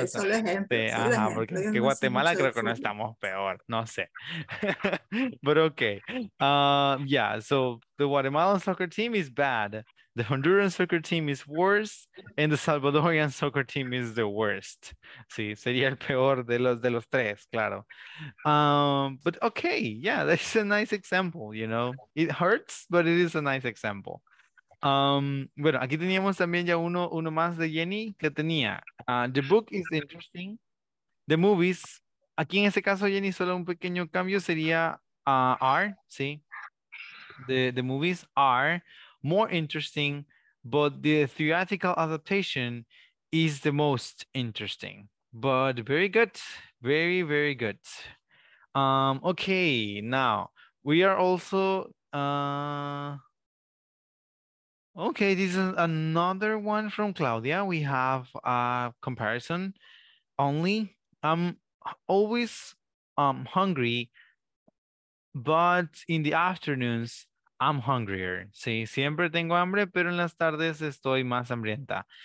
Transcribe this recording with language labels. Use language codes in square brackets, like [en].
[es] estamos. Sí, ajá, porque ejemplo, que Guatemala creo que no estamos peor. No sé. Pero ok. [en] Yeah, so the Guatemalan soccer team is bad. The Honduran soccer team is worse and the Salvadorian soccer team is the worst. [es] Sí, sería el peor de los tres, claro. [en] But okay, yeah, that's a nice example, you know. It hurts, but it is a nice example. [es] Bueno, aquí teníamos también ya uno más de Jenny que tenía. [en] The book is interesting. The movies. [es] Aquí en este caso, Jenny, solo un pequeño cambio sería are, sí. [en] The movies are more interesting, but the theatrical adaptation is the most interesting. But very good, very, very good. Okay, now we are also, okay, this is another one from Claudia. We have a comparison only. I'm always hungry, but in the afternoons, I'm hungrier. [es] Sí, siempre tengo hambre, pero en las tardes estoy más hambrienta.